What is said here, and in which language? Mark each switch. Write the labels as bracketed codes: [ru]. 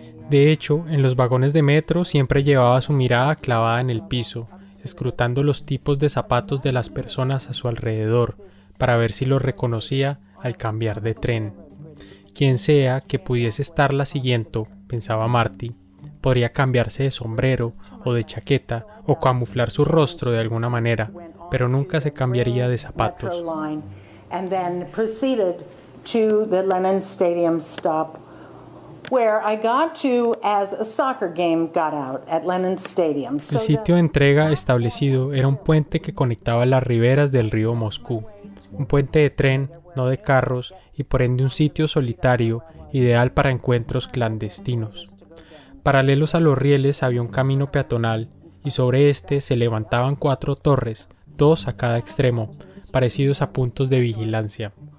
[es] De hecho, en los vagones de metro siempre llevaba su mirada clavada en el piso, escrutando los tipos de zapatos de las personas a su alrededor para ver si los reconocía al cambiar de tren. Quien sea que pudiese estarla siguiendo, pensaba Marty, podría cambiarse de sombrero o de chaqueta o camuflar su rostro de alguna manera, pero nunca se cambiaría de zapatos. [en] And then proceeded to the Lenin Stadium stop, where I got to as a soccer game got out at Lenin Stadium. [es] El sitio de entrega establecido era un puente que conectaba las riberas del río Moscú, un puente de tren, no de carros, y por ende un sitio solitario, ideal para encuentros clandestinos. Paralelos a los rieles había un camino peatonal, y sobre este se levantaban 4 torres, 2 a cada extremo, parecidos a puntos de vigilancia.